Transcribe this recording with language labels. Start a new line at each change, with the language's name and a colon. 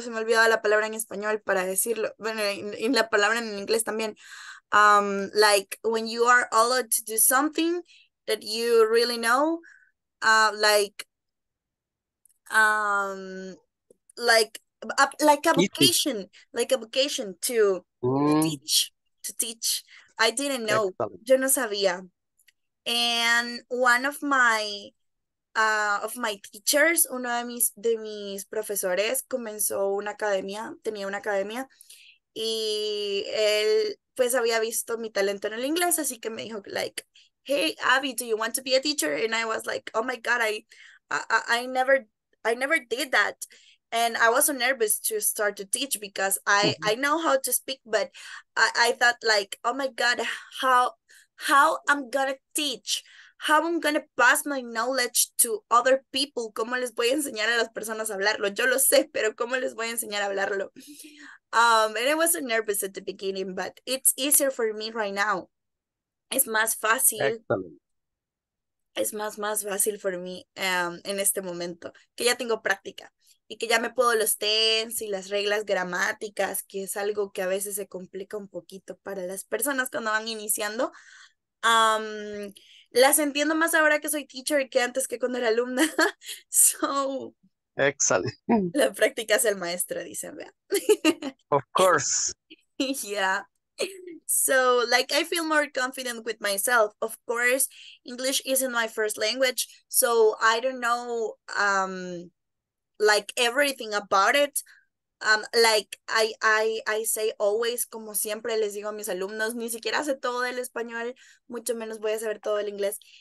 Spanish: Se me olvidaba la palabra en español para decirlo. Bueno, en la palabra en inglés también.
English: Like when you are allowed to do something that you really know, like a vocation, to teach, I didn't know. Excellent.
Spanish: Yo no sabía.
English: And one of my teachers,
Spanish: uno de mis profesores comenzó una academia, tenía una academia, y él pues había visto mi talento en el inglés, así que me dijo,
English: like, hey Abby, do you want to be a teacher? And I was like, oh my god, I never did that. And I was so nervous to start to teach because I know how to speak, but I thought, like, oh my god, how I'm gonna teach, how I'm gonna pass my knowledge to other people.
Spanish: ¿Cómo les voy a enseñar a las personas a hablarlo? Yo lo sé, pero ¿cómo les voy a enseñar a hablarlo?
English: And I was nervous at the beginning, but it's easier for me right now.
Spanish: Es más fácil.
English: Excellent.
Spanish: Es más fácil
English: for me
Spanish: en este momento, que ya tengo práctica y que ya me puedo los tense y las reglas gramáticas, que es algo que a veces se complica un poquito para las personas cuando van iniciando. Las entiendo más ahora que soy teacher que antes que cuando era alumna.
English: So, excellent.
Spanish: La práctica es el maestro, dicen, vea.
English: Of course. Yeah. So, like, I feel more confident with myself. Of course, English isn't my first language, so I don't know, like, everything about it. Like, I say always,
Spanish: como siempre les digo a mis alumnos, ni siquiera sé todo el español, mucho menos voy a saber todo el inglés.